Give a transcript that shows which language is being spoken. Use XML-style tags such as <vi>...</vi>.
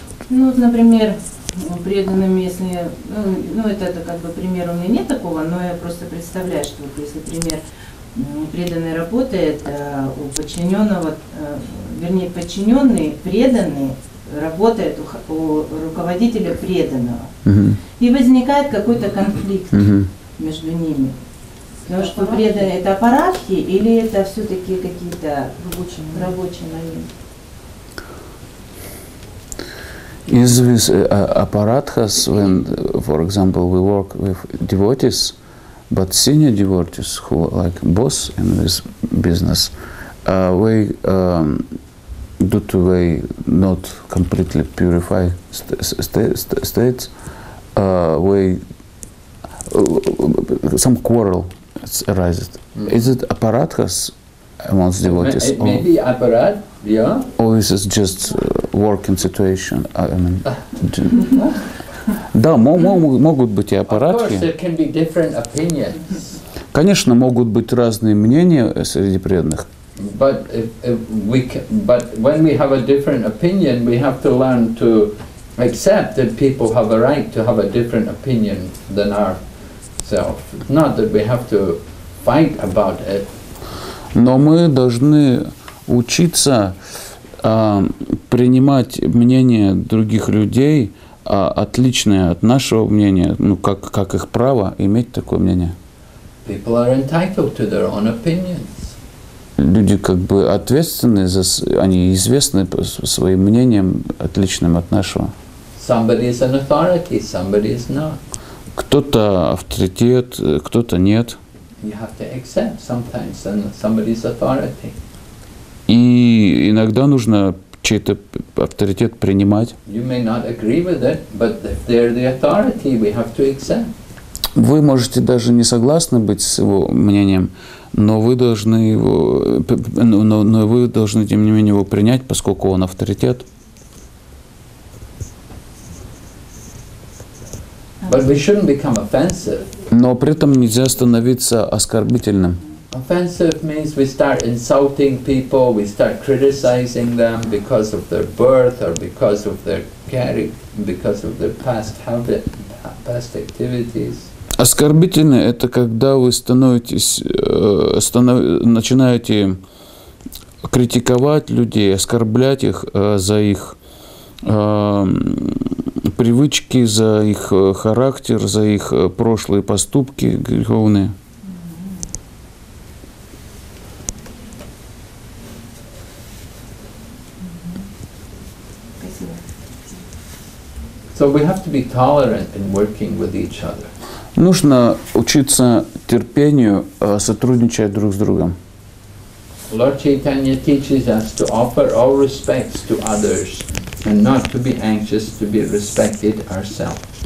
<ru>Ну, например, преданным, если, ну это как бы пример, у меня нет такого, но я просто представляю, что вот если пример преданной работы, это у подчиненного, вернее, подчиненный преданный работает у руководителя преданного. И возникает какой-то конфликт между ними. Потому что преданные, это аппаратки или это все-таки какие-то рабочие моменты?</ru> <en>Is this apparatus when, for example, we work with devotees, but senior devotees who are like boss in this business, due to they not completely purify states, some quarrel arises. Is it apparatus amongst devotees? Maybe apparat, yeah. Or is it just working situation? I mean,</en> <ru>да, могут быть и аппаратки.</ru> <en>Of course, there can be different opinions.</en> <ru>Конечно, могут быть разные мнения среди преданных.</ru> <en>But but when we have a different opinion, we have to learn to accept that people have a right to have a different opinion than ourselves. Not that we have to fight about it.</en> <ru>Но мы должны учиться принимать мнение других людей, отличное от нашего мнения, ну как их право иметь такое мнение.</ru> <en>People are entitled to their own opinions.</en> <ru>Люди как бы ответственны за, они известны своим мнением, отличным от нашего.</ru> <en>Somebody is an authority, somebody is not.</en> <ru>Кто-то авторитет, кто-то нет.</ru> <en>You have to accept sometimes somebody's authority.</en> <ru>И иногда нужно чей-то авторитет принимать.</ru> <en>You may not agree with it, but if they're the authority, we have to accept.</en> <ru>Вы можете даже не согласны быть с его мнением, но вы должны его, но вы должны тем не менее его принять, поскольку он авторитет.</ru> <en>But we shouldn't become offensive.</en> <ru>Но при этом нельзя становиться оскорбительным.</ru> <en>Offensive means we start insulting people, we start criticizing them because of their birth or because of their past habit, past activities.</en> <ru>Оскорбительно это когда вы становитесь начинаете критиковать людей, оскорблять их за их привычки, за их характер, за их прошлые поступки греховные.</ru> <en>So we have to be tolerant in working with each other.</en> <ru>Нужно учиться терпению, сотрудничать друг с другом.</ru> <en>Lord Chaitanya teaches us to offer all respects to others. And not to be anxious to be respected ourselves.</en>